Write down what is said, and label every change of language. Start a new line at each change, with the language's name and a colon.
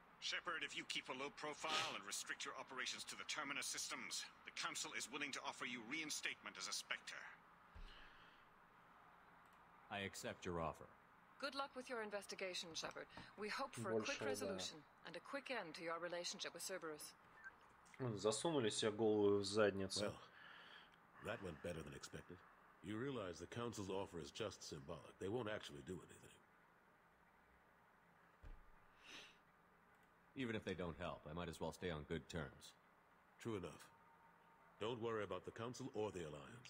English: Shepard, if you keep a low profile and restrict your operations to the Terminus systems, the Council is willing to offer you reinstatement as a Spectre. I accept your offer. Good luck with your investigation, Shepard. We hope for a quick resolution and a quick end to your relationship with Cerberus.
Russian: Засунули себе голову в задницу.
English: Well, that went better than expected. You realize the Council's offer is just symbolic. They won't actually do anything. Even if they don't help, I might as well stay on good terms. True enough. Don't worry about the Council or the Alliance.